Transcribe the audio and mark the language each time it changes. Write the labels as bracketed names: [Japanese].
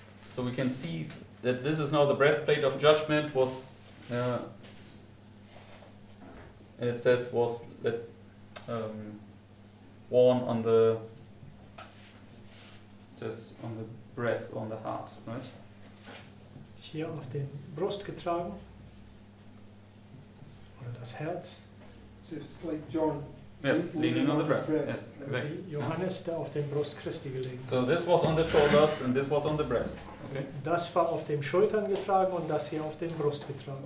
[English] So we can see that this is now the breastplate of judgment was, and it says was that worn on the just on the breast or on the heart, right? [German] Hier auf den Brust getragen oder das Herz. [English] So it's like John. Yes, leaning on the breast. Yes, exactly. [German] Johannes, der auf dem Brust Christi gelegen. [English] So this was on the shoulders and this was on the breast. Okay. [German] Das war auf den Schultern getragen und das hier auf den Brust getragen.